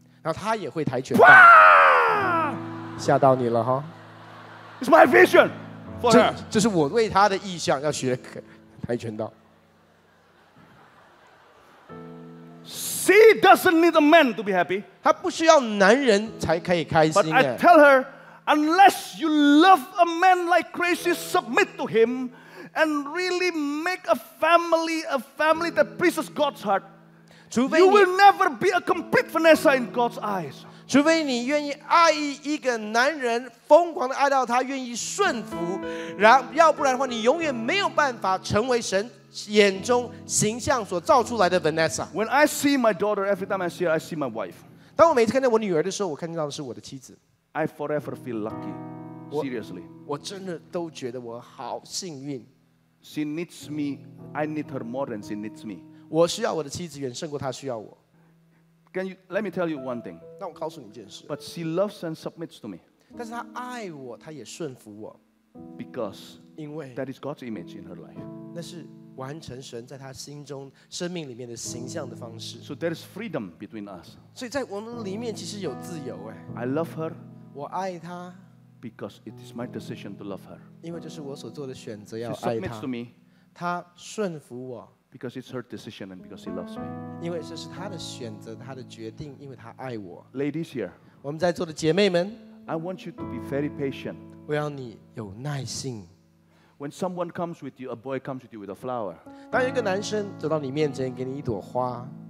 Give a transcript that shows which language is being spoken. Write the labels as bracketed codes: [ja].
[zh] 然后他也会跆拳道。吓到你了哈 [en] ！It's my vision for her， [zh] 这是我为他的意向要学跆拳道。 [en] She doesn't need a man to be happy. [zh] 她不需要男人才可以开心。 [en] But I tell her, unless you love a man like crazy, submit to him, and really make a family that pleases God's heart, you will never be a complete Vanessa in God's eyes. [zh] 除非你愿意爱一个男人，疯狂的爱到他愿意顺服，要不然的话，你永远没有办法成为神。眼中形象所造出来的 Vanessa. [en] When I see my daughter, every time I see her, I see my wife. [zh] 当我每次看见我女儿的时候，我看到的是我的妻子。 [en] I forever feel lucky. Seriously. [zh] 我真的都觉得我好幸运。 [en] She needs me. I need her more than she needs me. [zh] 我需要我的妻子远胜过她需要我。 [en] Can you let me tell you one thing? [zh] 那我告诉你一件事。 [en] But she loves and submits to me. [zh] 但是她爱我，她也顺服我。 [en] Because [zh] 因为 [en] that is God's image in her life. [zh] 那是完成神在他心中生命里面的形象的方式。 [en] So there is freedom between us. [zh] 所以在我们里面其实有自由哎。 [en] I love her. [zh] 我爱她。 [en] Because it is my decision to love her. [zh] 因为这是我所做的选择要爱她。 [en] She submits to me. [zh] 她顺服我。 [en] Because it's her decision and because she loves me. [zh] 因为这是她的选择，她的决定，因为她爱我。 [en] Ladies here. [zh] 我们在座的姐妹们。 [en] I want you to be very patient. [zh] 我要你有耐心。 [en] When someone comes with you, a boy comes with you with a flower. [zh] 当一个男生走到你面前，给你一朵花。